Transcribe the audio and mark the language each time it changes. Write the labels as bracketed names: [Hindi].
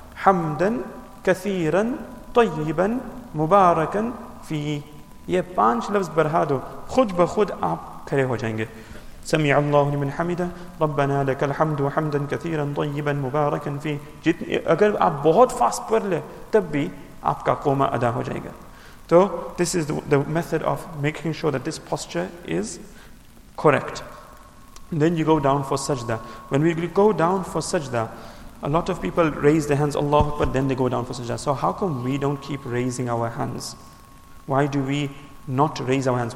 [Arabic] حَمْدًا كَثِيرًا طَيِّبًا مُبَارَكًا فِي. [Urdu] یہ 5 لفظ برہا دو, خود بخود آپ کھڑے ہو جائیں گے. [Arabic] سمیع اللہ لمن حمیدہ, ربنا لک الحمد وحمدا کثیرا طیبا مبارکا فی. [Urdu] جتنی اگر آپ بہت فاسٹ پڑھ لے تب بھی آپ کا قومہ ادا ہو جائے گا. [English] تو this is the method of making sure that this posture is correct. Then you go down for sajda. When we go down for sajda, a lot of people raise their hands, Allahu Akbar, then they go down for sajda. So how come we don't keep raising our hands? Why do we not raise our hands?